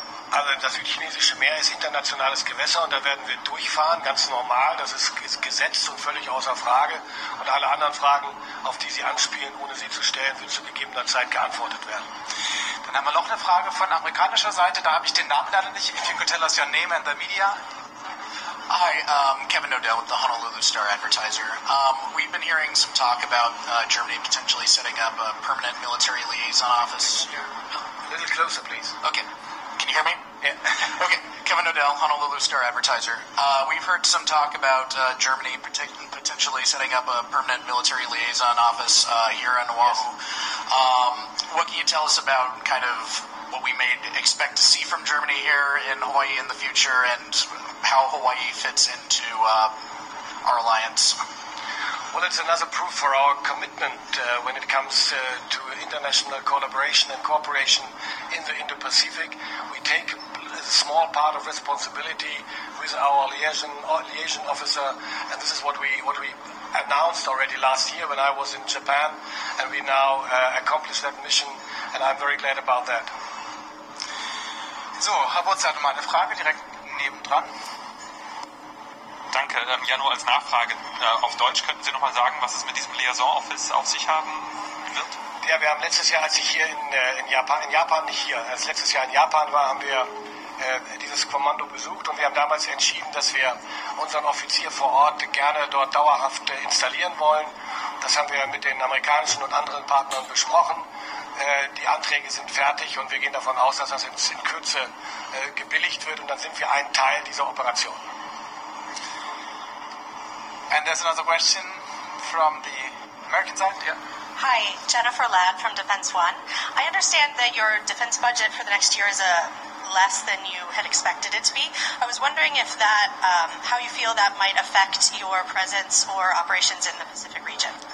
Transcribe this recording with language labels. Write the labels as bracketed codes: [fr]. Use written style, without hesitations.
[de] Also das südchinesische Meer ist internationales Gewässer und da werden wir durchfahren, ganz normal. Das ist gesetzt und völlig außer Frage. Und alle anderen Fragen, auf die Sie anspielen, ohne sie zu stellen, wird zu gegebener Zeit geantwortet werden. Dann haben wir noch eine Frage von amerikanischer Seite. Da habe ich den Namen leider nicht. [en] If you could tell us your name and the media. Hi, Kevin O'Dell with the Honolulu Star Advertiser. We've been hearing some talk about Germany potentially setting up a permanent military liaison office here. A little closer, please. Okay. Can you hear me? Yeah. Okay. Kevin O'Dell, Honolulu Star Advertiser. We've heard some talk about Germany potentially setting up a permanent military liaison office here on Oahu. Yes. What can you tell us about kind of what we may expect to see from Germany here in Hawaii in the future and how Hawaii fits into our alliance? Well, it's another proof for our commitment when it comes to international collaboration and cooperation in the Indo-Pacific. We take a small part of responsibility with our liaison officer, and this is what we announced already last year when I was in Japan, and we now accomplished that mission, and I'm very glad about that. [de] So, Herr Butz hatte mal eine Frage direkt nebendran. Danke. Ja, nur als Nachfrage. Auf Deutsch könnten Sie nochmal sagen, was es mit diesem Liaison Office auf sich haben wird? Ja, wir haben letztes Jahr, als ich hier in Japan war, haben wir dieses Kommando besucht und wir haben damals entschieden, dass wir unseren Offizier vor Ort gerne dort dauerhaft installieren wollen. Das haben wir mit den amerikanischen und anderen Partnern besprochen. Die Anträge sind fertig und wir gehen davon aus, dass das jetzt in Kürze gebilligt wird und dann sind wir ein Teil dieser Operation. [en] And there's another question from the American side. Yeah. Hi, Jennifer Ladd from Defense One. I understand that your defense budget for the next year is less than you had expected it to be. I was wondering if that, how you feel that might affect your presence or operations in the Pacific region.